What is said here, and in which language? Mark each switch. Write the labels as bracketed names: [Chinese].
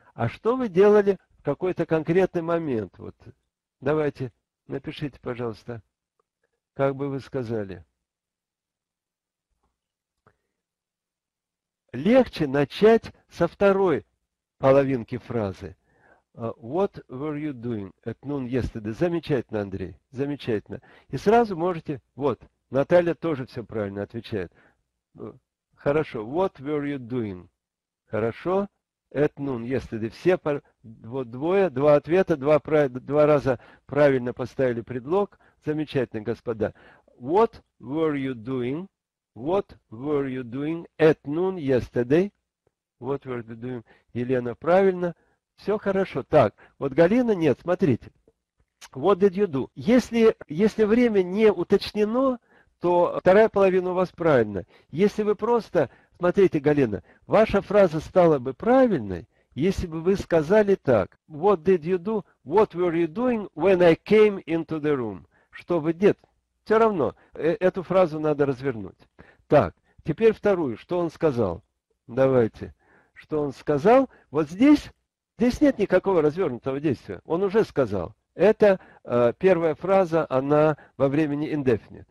[Russian] А что вы делали в какой-то конкретный момент? Вот давайте, напишите, пожалуйста, как бы вы сказали. Легче начать со второй половинки фразы. [English] What were you doing at noon yesterday? [Russian] Замечательно, Андрей, замечательно. И сразу можете, вот, Наталья тоже все правильно отвечает. Хорошо, [English] what were you doing? Хорошо, at noon yesterday. [Russian] Все, вот двое, два ответа, два раза правильно поставили предлог. Замечательно, господа. [English] What were you doing? What were you doing at noon yesterday? What were you doing? Елена, [Russian] правильно. Все хорошо. Так, вот Галина, нет, смотрите. [English] What did you do? [Russian] Если время не уточнено, то вторая половина у вас правильна. Если вы просто, смотрите, Галина, ваша фраза стала бы правильной, если бы вы сказали так. [English] What did you do? What were you doing when I came into the room? [Russian] Что вы делали? Все равно, эту фразу надо развернуть. Так, теперь вторую. Что он сказал? Давайте. Что он сказал? Вот здесь нет никакого развернутого действия. Он уже сказал. Это первая фраза, она во времени indefinite.